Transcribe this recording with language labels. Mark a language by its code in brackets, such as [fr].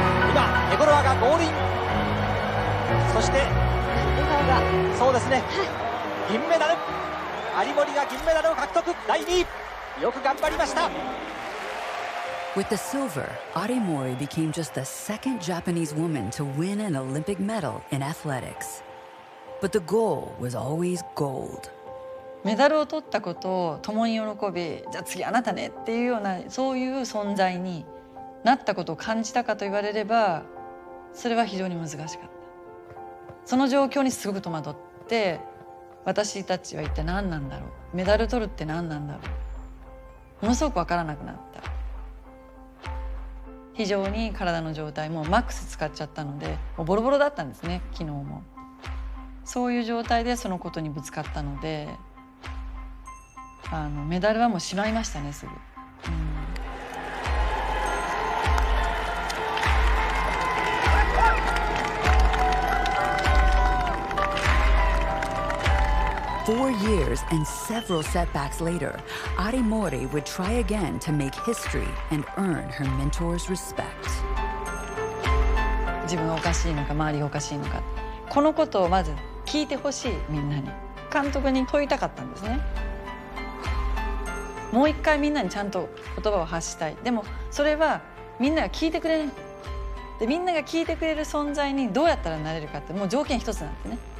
[ja] 今エボロワがゴールイン、そしてエボロワが、そうですね、はい、銀メダル、有森が銀メダルを獲得、第2位、よく頑張りました。 [en] With the silver, Arimori became just the second Japanese woman to win an Olympic medal in athletics. But the goal was always gold. [ja] メダルを取ったことを共に喜び、じゃあ次あなたねっていうような、そういう存在になったことを感じたかと言われれば、それは非常に難しかった。その状況にすごく戸惑って、私たちは一体何なんだろう、メダル取るって何なんだろう、ものすごく分からなくなった。非常に体の状態もマックス使っちゃったので、もうボロボロだったんですね、昨日も。そういう状態でそのことにぶつかったので、メダルはもうしまいましたね、すぐ、うん、 [en] 4 years and several setbacks later, Arimori would try again to make history and earn her mentor's respect. [ja] 自分がおかしいのか、周りがおかしいのか、このことをまず聞いてほしい、みんなに、監督に問いたかったんですね。もう一回みんなにちゃんと言葉を発したい。でもそれはみんなが聞いてくれない。で、みんなが聞いてくれる存在にどうやったらなれるかって、もう条件一つなんですね。